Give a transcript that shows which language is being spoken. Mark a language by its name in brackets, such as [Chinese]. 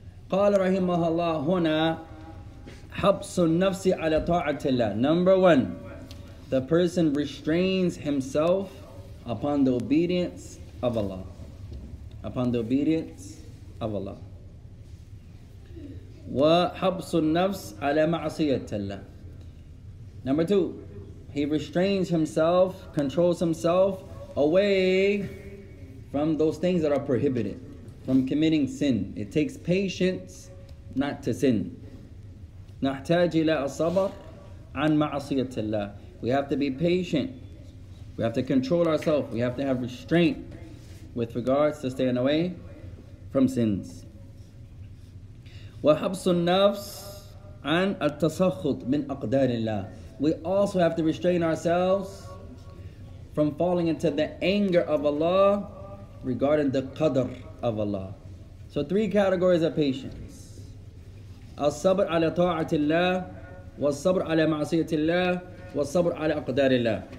[Arabic] قال رحمه الله هنا حبس النفس على طاعة الله. [English] Number one, the person restrains himself upon the obedience of Allah. Upon the obedience of Allah. [Arabic] وحبس النفس على معصية الله. [English] Number two, he restrains himself, controls himself away from those things that are prohibited, from committing sin. It takes patience not to sin. [Arabic] نحتاج إلى الصبر عن معصية الله. [English] We have to be patient. We have to control ourselves. We have to have restraint with regards to staying away from sins. [Arabic] وحبس النفس عن التسخط من أقدار الله. [English] We also have to restrain ourselves from falling into the anger of Allah regarding the qadr of Allah. So three categories of patience. [Arabic] الصبر على طاعة الله والصبر على معصية الله والصبر على أقدار الله.